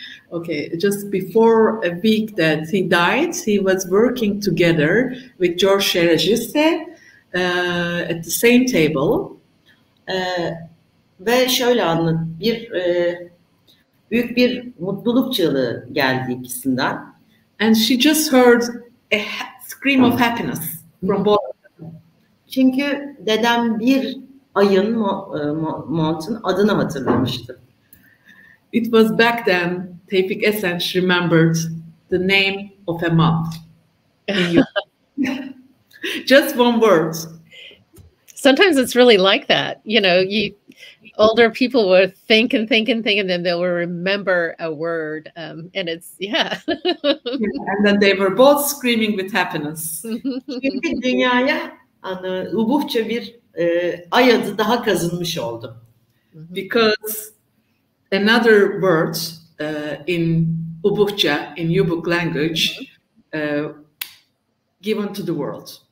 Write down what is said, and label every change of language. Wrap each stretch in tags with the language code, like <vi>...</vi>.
<en>Okay, just before a week that he died, he was working together with George Scherzer at the same table.</en> <tr>Ve şöyle anlat, bir büyük bir mutluluk çığlığı geldi ikisinden.</tr> <en>And she just heard a scream of happiness from both.</en> <tr>Çünkü dedem bir ayın, Mont'un adını hatırlamıştı.</tr> <en>It was back then Tevfik Esenç remembered the name of a month. Just one word. Sometimes it's really like that. You know, you older people will think and think and think, and then they'll remember a word. And it's, And then they were both screaming with happiness.</en> <tr>Çünkü dünyaya Ubykhça bir ay adı daha kazınmış oldu.</tr> <en>Because another word in Ubykhça, in Ubykh language, given to the world.</en>